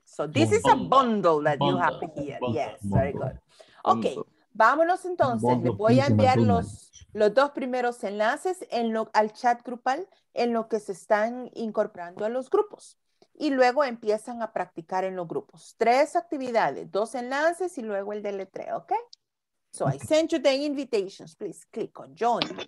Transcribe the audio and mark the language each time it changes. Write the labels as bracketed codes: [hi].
[en] So this is a bundle that you have here. Bundle. Yes, bundle. Very good. Ok. Bundle. [es] Vámonos entonces, les voy a enviar los dos primeros enlaces al chat grupal en lo que se están incorporando a los grupos. Y luego empiezan a practicar en los grupos. Tres actividades, dos enlaces y luego el deletreo, ¿ok? [en] So I sent you the invitations, please click on join.